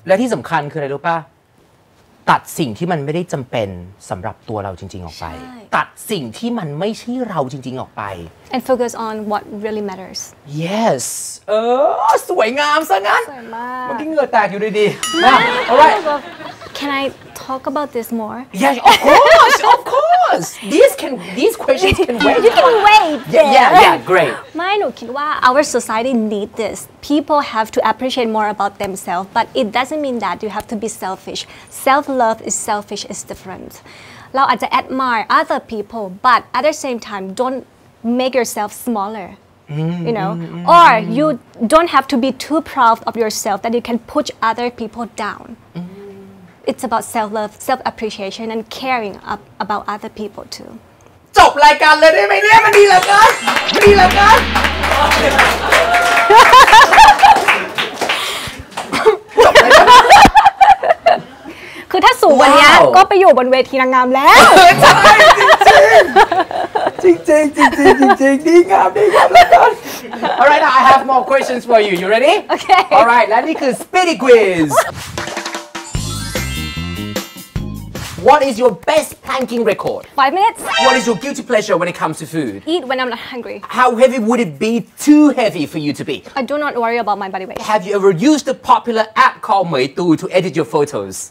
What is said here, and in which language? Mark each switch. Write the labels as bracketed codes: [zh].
[th] และที่สำคัญคืออะไรรู้ป่ะตัดสิ่งที่มันไม่ได้จำเป็นสำหรับตัวเราจริงๆออกไปตัดสิ่งที่มันไม่ใช่เราจริงๆออกไป [en] and focus on what really matters [th] yes เออสวยงามซะงั้น สวยมาก เมื่อกี้เหงื่อแตกอยู่ดีๆ [en] alright can I talk about this more yeah of course of course these questions can wait you can wait yeah great [th] ไม่หนูคิดว่า [en] our society need this people have to appreciate more about themselves but it doesn't mean that you have to be selfish self love is selfish is different [th] เราอาจจะ [en] admire other people but at the same time don't make yourself smaller you know or you don't have to be too proud of yourself that you can push other people down it's about self love self appreciation and caring about other people too [th] จบรายการเลยได้ไหมเนี่ยมันดีเหลือเกินดีเหลือเกิน คือถ้าสูงวันนี้ก็ไปอยู่บนเวทีนางงามแล้ว จริงจริงจริงจริงจริงจริงจริงดีงามดีงามแล้วกัน [en] All right I have more questions for you ready Okay All right [th] และนี่คือ [en] Speedy Quiz What is your best planking record 5 minutes What is your guilty pleasure when it comes to food Eat when I'm not hungry How heavy would it be too heavy for you to be I do not worry about my body weight Have you ever used the popular app called Meitu to edit your photos